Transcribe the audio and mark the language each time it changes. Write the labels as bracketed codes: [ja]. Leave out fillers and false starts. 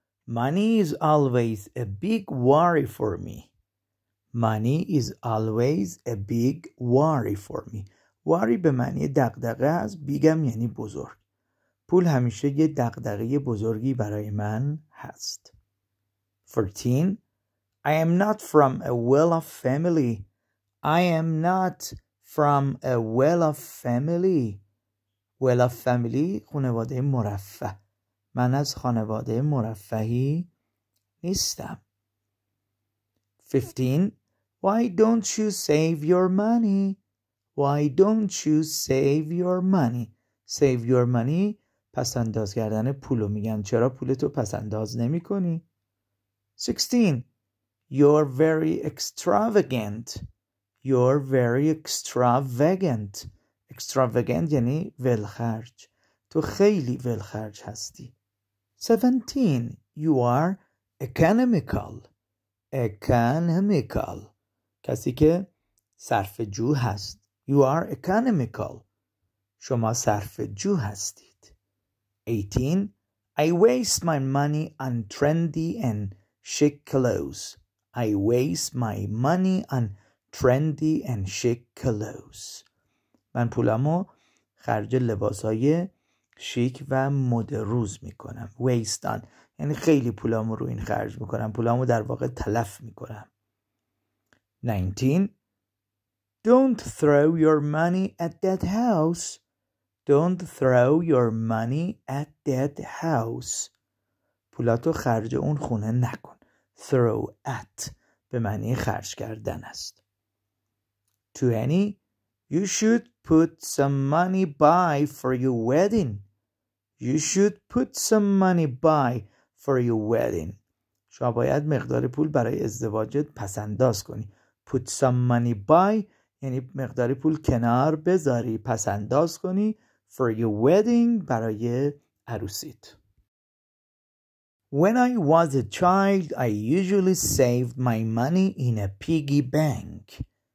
[en] Money is always a big worry for me. Money is always a big worry for me. [fa] Worry به معنی دغدغه است. بیگم یعنی بزرگ. پول همیشه یه دغدغه بزرگی برای من هست. 14. [en] I am not from a well-off family. I am not from a well-off family. Well-off family [fa] خانواده مرفه. من از خانواده مرفهی نیستم. [en] 15. Why don't you save your money? Why don't you save your money? Save your money [fa] پس انداز کردن پولو میگن. چرا پولتو پس انداز نمی کنی؟ 16. [en] You're very extravagant. You're very extravagant. [fa] Extravagant یعنی ولخرج. تو خیلی ولخرج هستی. [en] 17. You are economical. [fa] Economical. کسی که صرفه‌جو هست. [en] You are economical. [fa] شما صرفه‌جو هستید. 18. [en] I waste my money on trendy and chic clothes. I waste my money on trendy and chic clothes. [fa] من پولمو خرج لباسای شیک و مد روز میکنم. ویستان یعنی خیلی پولامو رو این خرج میکنم. پولامو در واقع تلف میکنم. [en] 19. Don't throw your money at that house. Don't throw your money at that house. [fa] پولاتو خرج اون خونه نکن. Throw at به معنی خرج کردن است. 20. [en] You should put some money by for your wedding. You should put some money by for your wedding. [fa] شما باید مقدار پول برای ازدواجت پسنداز کنی. [en] Put some money by [fa] یعنی مقدار پول کنار بذاری، پسنداز کنی [en] for your wedding [fa] برای عروسیت. [en] When I was a child, I usually saved my money in a piggy bank.